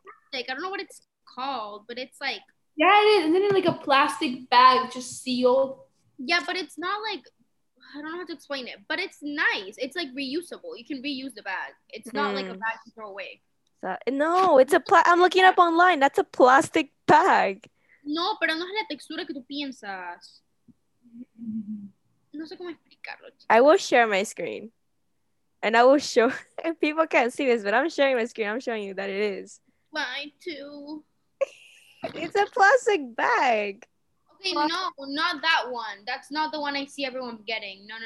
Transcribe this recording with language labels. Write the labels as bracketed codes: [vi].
[en] plastic. I don't know what it's called, but it's like. Yeah, it is. Isn't it like a plastic bag just sealed? Yeah, but it's not like. I don't know how to explain it, but it's nice. It's like reusable. You can reuse the bag. It's not like a bag to throw away. That, no, it's a pla I'm looking up online. That's a plastic bag. [es] No, pero no es la textura que tú piensas. No sé cómo explicarlo, [en] I [es] chicas. [en] will share my screen. And I will show, and people can't see this, but I'm sharing my screen. I'm showing you that it is. Why two? It's a plastic bag. Okay, no, not that one. That's not the one I see everyone getting. No, no,